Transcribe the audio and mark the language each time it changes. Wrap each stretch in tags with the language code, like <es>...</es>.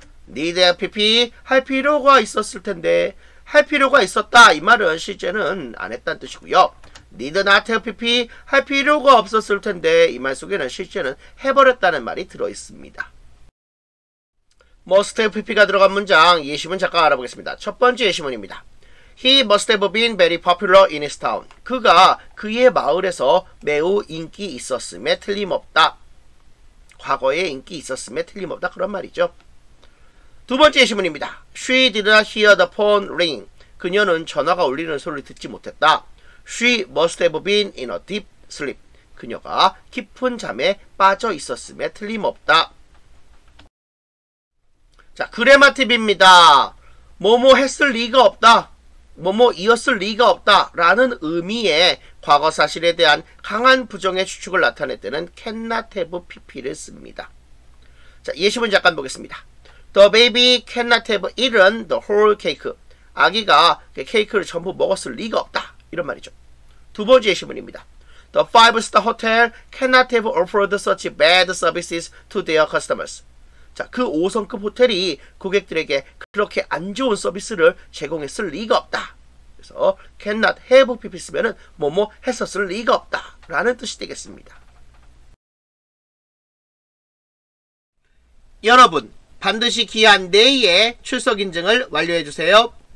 <en>need have PP</en> <ko>할 필요가 있었을 텐데 할 필요가 있었다 이 말은 실제는 안 했다는 뜻이고요.</ko> <en>need not have PP</en> <ko>할 필요가 없었을 텐데 이 말 속에는 실제는 해버렸다는 말이 들어있습니다.</ko> <en>Must have PP</en> <ko>가 들어간 문장 예시문 잠깐 알아보겠습니다. 첫 번째 예시문입니다.</ko> <en>He must have been very popular in his town.</en> <ko>그가 그의 마을에서 매우 인기 있었음에 틀림없다. 과거에 인기 있었음에 틀림없다. 그런 말이죠. 두 번째 예시문입니다.</ko> <en>She did not hear the phone ring.</en> <ko>그녀는 전화가 울리는 소리를 듣지 못했다.</ko> <en>She must have been in a deep sleep.</en> <ko>그녀가 깊은 잠에 빠져 있었음에 틀림없다. 자, 그래마 팁입니다. 뭐뭐 했을 리가 없다. 뭐뭐 이었을 리가 없다. 라는 의미의 과거 사실에 대한 강한 부정의 추측을 나타낼 때는</ko> <en>cannot have PP</en> <ko>를 씁니다. 자, 예시문 잠깐 보겠습니다.</ko> <en>The baby cannot have eaten the whole cake.</en> <ko>아기가 그 케이크를 전부 먹었을 리가 없다. 이런 말이죠. 두 번째 예시문입니다.</ko> <en>The five-star hotel cannot have offered such bad services to their customers.</en> <ko>자, 그 5성급 호텔이 고객들에게 그렇게 안 좋은 서비스를 제공했을 리가 없다. 그래서</ko> <en>cannot have PP</en> <ko>쓰면은 뭐뭐 했었을 리가 없다 라는 뜻이 되겠습니다. 여러분 반드시 기한 내에 출석 인증을 완료해 주세요.</ko>